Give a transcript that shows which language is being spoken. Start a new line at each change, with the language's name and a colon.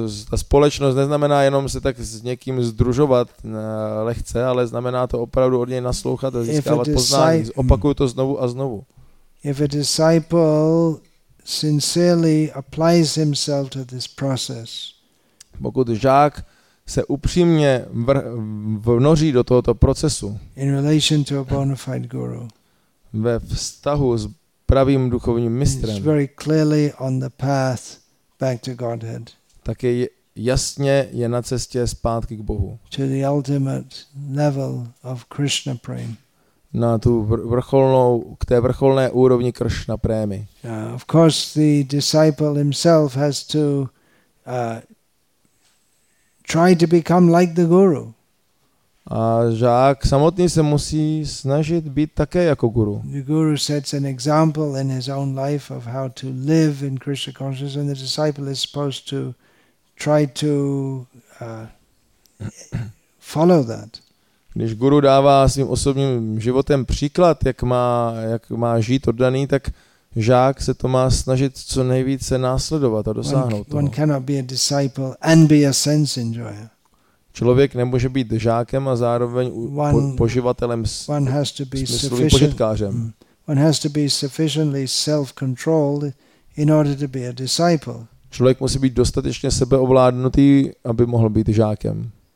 Czech: Ta společnost neznamená jenom se tak s někým združovat lehce, ale znamená to opravdu od něj naslouchat a získávat poznání. Opakuju to znovu a znovu.
English: If a disciple sincerely applies himself to this process,
Czech: pokud žák se upřímně vnoří do tohoto procesu,
English: in relation to a bona fide guru,
Czech: ve vztahu s pravým duchovním mistrem,
English: it's very clearly on the path back to Godhead.
Czech: Tak je jasně je na cestě zpátky k Bohu.
English: To the ultimate level of Krishna prema.
Czech: Na tu vrcholnou, k té vrcholné úrovni Krishna prémy.
English: Of course the disciple himself has to try to become like the guru.
Czech: A žák samotný se musí snažit být také jako guru.
English: The guru sets an example in his own life of how to live in Krishna consciousness, and the disciple is supposed to try to follow that.
Czech: Když guru dává svým osobním životem příklad, jak má žít oddaný, tak žák se to má snažit co nejvíce následovat a dosáhnout toho.
English: One cannot be a disciple and be a sense enjoyer.
Czech: Člověk nemůže být žákem a zároveň poživatelem smyslovým požitkářem.
English: One has to be sufficiently self-controlled in order to be a disciple.
Czech: Člověk musí být dostatečně sebeovládnutý, aby mohl být žákem.